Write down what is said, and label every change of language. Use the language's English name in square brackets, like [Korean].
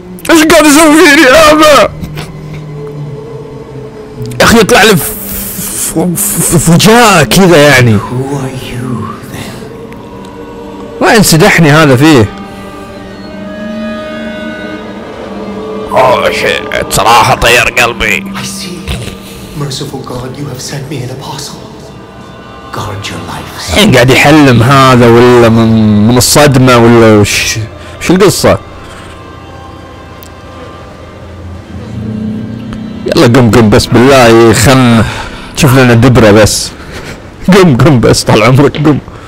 [Arabic] ايش قاعد يسوي فيني هذا؟ اخي يطلع لي فجأة كذا يعني. وين سدحني هذا فيه؟ اوه شيت صراحة طير قلبي. [English] I see. Merciful God, you have sent me an apostle. [Arabic] الحين قاعد يحلم هذا ولا من الصدمة ولا وش القصة؟ يلا قم قم بس بالله خلنا شوف لنا دبرة بس. قم قم بس طال عمرك قم.